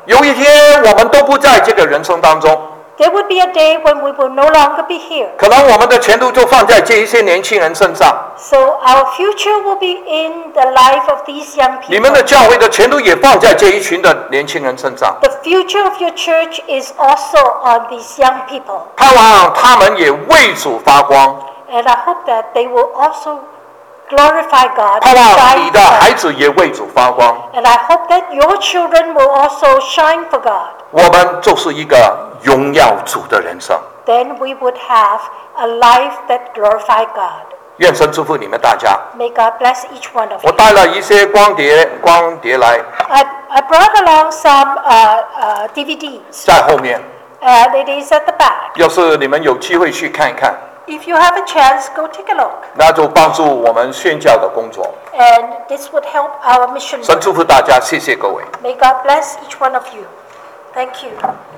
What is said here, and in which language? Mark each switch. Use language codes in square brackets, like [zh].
[zh] 有一天我们都不在这个人生当中 [en] There would be a day when we will no longer be here. [zh] 可能我们的前途就放在这一些年轻人身上。 [en] So our future will be in the life of these young people. [zh] 你们的教会的前途也放在这一群的年轻人身上。 [en] The future of your church is also on these young people. [zh] 盼望他们也为主发光。 [en] And I hope that they will also glorify God. [zh] 盼望你的孩子也为主发光。 [en] And I hope that your children will also shine for God. [zh] 我们就是一个荣耀主的人生 [en] Then we would have a life that glorified God. [zh] 愿神祝福你们大家 [en] May God bless each one of you. [zh] 我带了一些光碟来 [en] I brought along some DVDs. [zh] 在后面 [en] And it is at the back. [zh] 要是你们有机会去看一看 [en] If you have a chance, go take a look. [zh] 那就帮助我们宣教的工作 [en] And this would help our mission. [zh] 神祝福大家，谢谢各位 [en] May God bless each one of you. Thank you.